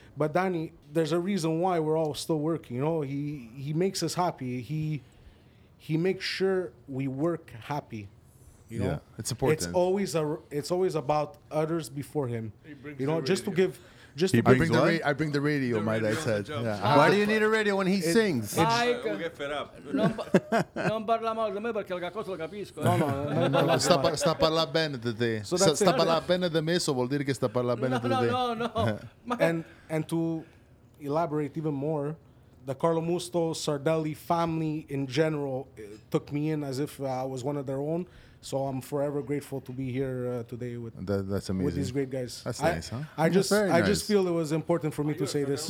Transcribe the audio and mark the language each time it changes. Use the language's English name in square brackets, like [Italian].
[English] But Danny, there's a reason why we're all still working. You know, he makes us happy. He makes sure we work happy. You know? It's important. It's always about others before him. You know, just to give... Just I bring the radio. I bring the radio. My dad said. Yeah. Why do you need a radio when he sings? Mike, we get fed up. [Italian] Non parla male di me perché la cosa lo capisco. No. Sta parla bene di te. Sta parla bene di me. So vuol dire che sta parla bene di te. No. [English] And to elaborate even more, the Carlo Musto Sardelli family in general took me in as if I was one of their own. So I'm forever grateful to be here today with that's amazing. With these great guys. That's nice, huh? I just feel it was important for me to say this.